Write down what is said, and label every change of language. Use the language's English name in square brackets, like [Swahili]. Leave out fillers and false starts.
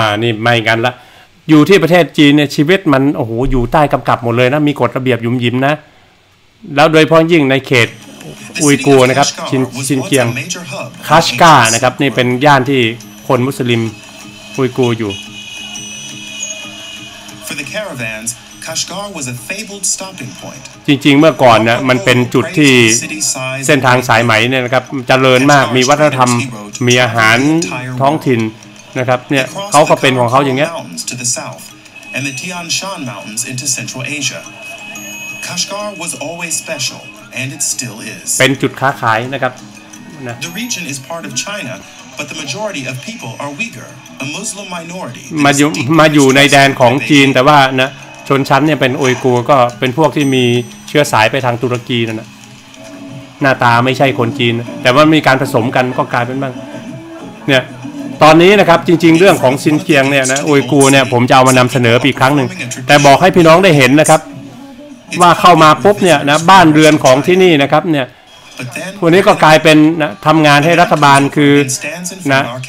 [Thai] นี่ไม่กันละอยู่ที่ประเทศจีนเนี่ยชีวิตมันโอ้โหอยู่ใต้กำกับหมดเลยนะมีกฎระเบียบยุ่มยิ้มนะแล้วโดยเฉพาะยิ่งในเขตอุยกูร์นะครับชินเจียงคาชกานะครับนี่เป็นย่านที่คนมุสลิมอุยกูร์อยู่ [English] For the caravansKashgar was a fabled stopping point. [Thai] จริงๆเมื่อก่อนนะมันเป็นจุดที่เส้นทางสายไหมเนี่ยนะครับเจริญมากมีวัฒนธรรมมีอาหารท้องถิ่นนะครับเนี่ยเขาก็เป็นของเขาอย่างเงี้ย [English] to the south and the Tian Shan Mountains into Central Asia. Kashgar was always special and it still is. [Thai] เป็นจุดค้าขายนะครับนะ [English] The region is part of China. But the majority of people are Uyghur, a Muslim minority. [Thai] มาอยู่ในแดนของจีนแต่ว่านะชนชั้นเนี่ยเป็นอุยกูร์ก็เป็นพวกที่มีเชื้อสายไปทางตุรกีนั่นนะหน้าตาไม่ใช่คนจีนแต่ว่ามีการผสมกันก็กลายเป็นบ้างเนี่ยตอนนี้นะครับจริงๆเรื่องของซินเจียงเนี่ยนะอุยกูร์เนี่ยผมจะเอามานำเสนออีกครั้งหนึ่งแต่บอกให้พี่น้องได้เห็นนะครับว่าเข้ามาปุ๊บเนี่ยนะบ้านเรือนของที่นี่นะครับเนี่ยวันนี้ก็กลายเป็นนะทำงานให้รัฐบาลคือนะ